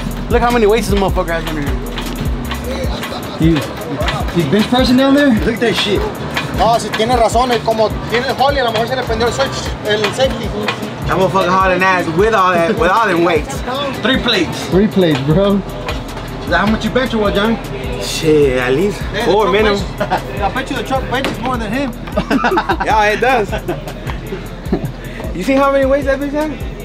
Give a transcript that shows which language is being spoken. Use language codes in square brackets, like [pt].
[en] Look how many weights this motherfucker has in here. You bench pressing down there? Look at that shit. [es] No, si tiene razón, es como tiene el Holley, a lo mejor se le prendió el switch, el safety. [en] I'm gonna fuck hard and ass with all them weights. Three plates, bro. Is that how much you bench or what, John? Shit, at least four minimum. I bet you the truck benches more than him. Yeah, it does. You see how many weights that bitch has?